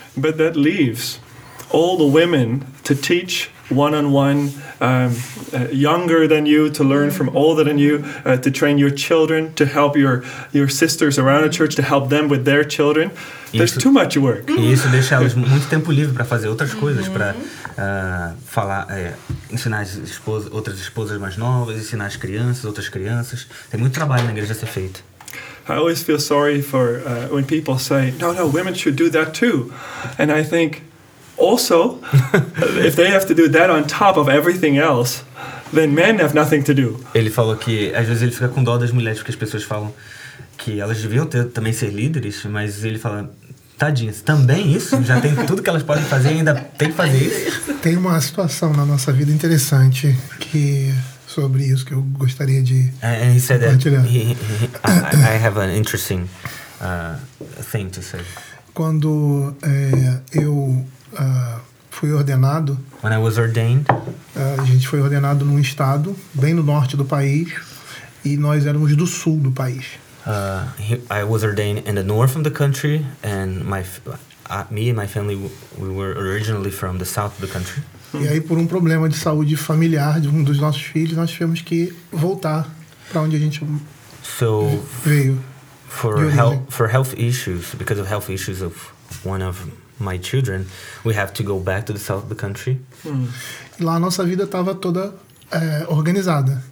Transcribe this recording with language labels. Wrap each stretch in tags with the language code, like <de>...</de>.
<en>But that leaves all the women to teach one-on-one, younger than you, to learn from older than you, to train your children, to help your sisters around the church, to help them with their children. There's too much work.</en> <pt>E isso deixa elas muito tempo livre para fazer outras coisas, para ensinar outras esposas mais novas, ensinar as crianças, outras crianças. Tem muito trabalho na igreja a ser feito.</pt> <en>I always feel sorry for when people say, no, women should do that too. And I think, also, if they have to do that on top of everything else, then men have nothing to do.</en> <pt>Ele falou que, às vezes, ele fica com dó das mulheres, porque as pessoas falam que elas deviam também ser líderes, mas ele fala, tadinhas, também isso? Já tem tudo que elas podem fazer e ainda tem que fazer isso? Tem uma situação na nossa vida interessante que sobre isso que eu gostaria de compartilhar.</pt> <en>I have an interesting thing to say.</en> <pt>Quando eu fui ordenado,</pt> <en>when I was ordained,</en> <pt>a gente foi ordenado num estado bem no norte do país e nós éramos do sul do país.</pt> <en>I was ordained in the north of the country and me and my family we were originally from the south of the country.</en> <pt>E aí, por problema de saúde familiar de dos nossos filhos, nós tivemos que voltar para onde a gente veio.</pt> <en>For health issues, because of health issues of one of my children, we have to go back to the south of the country.</en> <pt>E lá a nossa vida estava toda organizada.</pt>